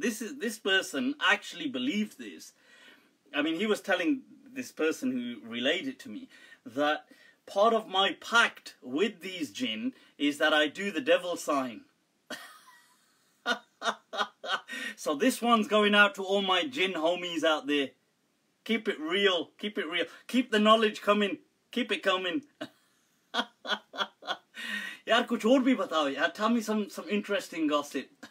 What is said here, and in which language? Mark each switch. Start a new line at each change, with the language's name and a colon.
English: This person actually believed this. I mean, he was telling this person who relayed it to me that part of my pact with these jinn is that I do the devil sign. So this one's going out to all my jinn homies out there. Keep it real. Keep it real. Keep the knowledge coming. Keep it coming.
Hindi: यार, कुछ और भी बताओ.
English: Yaar, tell me some interesting gossip.